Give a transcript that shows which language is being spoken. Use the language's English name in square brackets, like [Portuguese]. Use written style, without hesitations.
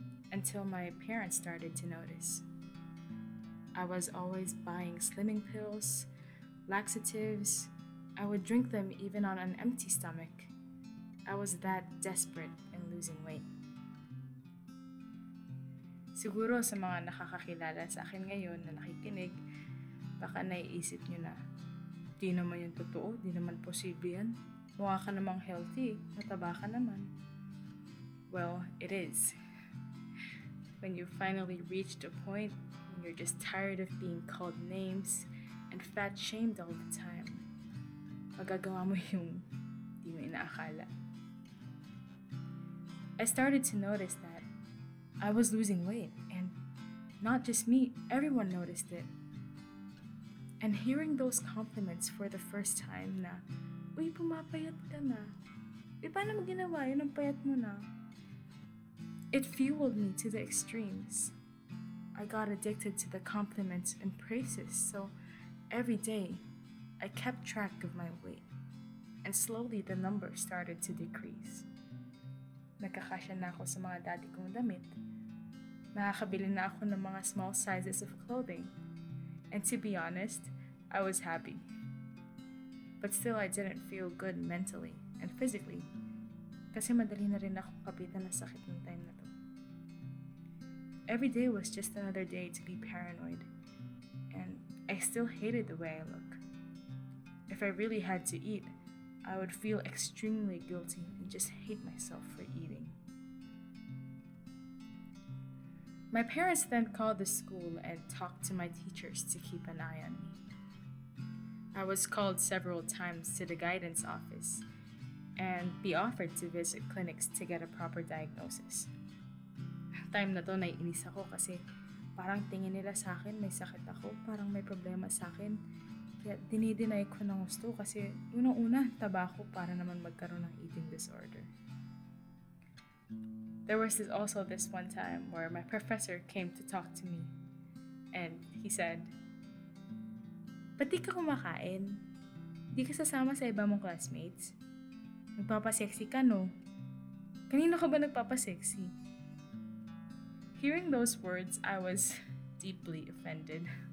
[English] Until my parents started to notice. I was always buying slimming pills, laxatives. I would drink them even on an empty stomach. I was that desperate in losing weight. [Filipino] Siguro sa mga nakakakilala sa akin ngayon na nakikinig, baka naiisip nyo na, di naman yung totoo, di naman posible yan. Mukha ka namang healthy, mataba ka naman. [English] Well, it is. When you finally reached a point when you're just tired of being called names and fat-shamed all the time, [Filipino] magagawa mo yung di mo inaakala. [English] I started to notice that I was losing weight, and not just me, everyone noticed it. And hearing those compliments for the first time [Filipino] na, uy, pumapayat ka na. Uy, paano mo ginawa? Yun ang payat mo na. [English] It fueled me to the extremes. I got addicted to the compliments and praises, so every day, I kept track of my weight. And slowly, the number started to decrease. [Filipino] Nakakasya na ako sa mga dati kong damit. Nakakabili na ako ng mga [English] small sizes of clothing. And to be honest, I was happy. But still, I didn't feel good mentally and physically. [Filipino] Kasi madali na rin ako kapitan ng sakit ng time na to. [English] Every day was just another day to be paranoid. And I still hated the way I look. If I really had to eat, I would feel extremely guilty and just hate myself for eating. My parents then called the school and talked to my teachers to keep an eye on me. I was called several times to the guidance office and be offered to visit clinics to get a proper diagnosis. [Filipino] Time na to, naiinis ako kasi parang tingin nila sa akin, may sakit ako, parang may problema sa akin. Kaya dinideny ko ng gusto kasi unang-una, taba ako para naman magkaroon ng eating disorder. [English] There was also this one time where my professor came to talk to me and he said, [Filipino] "Ba't di ka kumakain? Di ka sasama sa iba mong classmates? Nagpapasexy ka, no? Kanino ka ba nagpapasexy?" [English] Hearing those words, I was deeply offended.